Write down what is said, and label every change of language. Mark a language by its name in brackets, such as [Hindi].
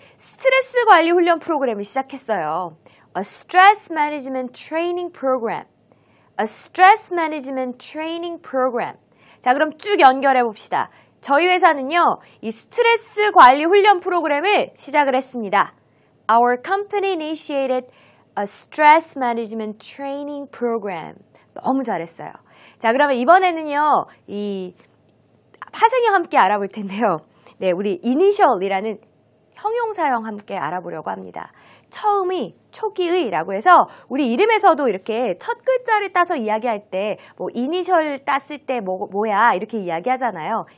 [Korean] 스트레스 관리 훈련 프로그램을 시작했어요. [English] A stress management training program. A stress management training program. [Korean] 자, 그럼 쭉 연결해 봅시다. 저희 회사는요, 이 스트레스 관리 훈련 프로그램을 시작을 했습니다. [English] Our company initiated a stress management training program. [Korean] 너무 잘했어요. 자, 그러면 이번에는요, 이 파생형 함께 알아볼 텐데요. 네, 우리 initial이라는 형용사형 함께 알아보려고 합니다. 처음이, 초기의라고 해서 우리 이름에서도 이렇게 첫 글자를 따서 이야기할 때 뭐 이니셜 땄을 때 뭐야 이렇게 이야기하잖아요.